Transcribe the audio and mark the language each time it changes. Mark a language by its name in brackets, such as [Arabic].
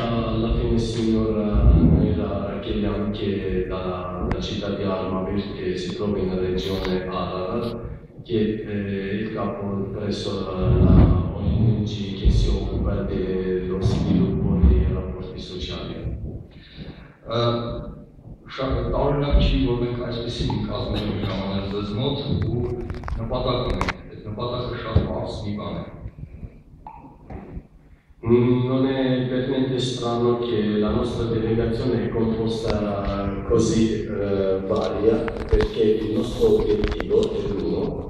[Italian] alla fine il signor Nayrov Kelana, che è dalla città di Armavir, che si trova in regione Ararat, che è il capo presso la ONG che si occupa dello sviluppo dei rapporti sociali. [Armenian] Տարօրինակ չի, որ մենք այսպես կազմում ենք ժամանակ ձեզ մոտ, ու նպատակը մենք, այդ նպատակը շատ պարզ մի բան է. [Italian] Non è veramente strano che la nostra delegazione è composta così varia, perché il nostro obiettivo è uno.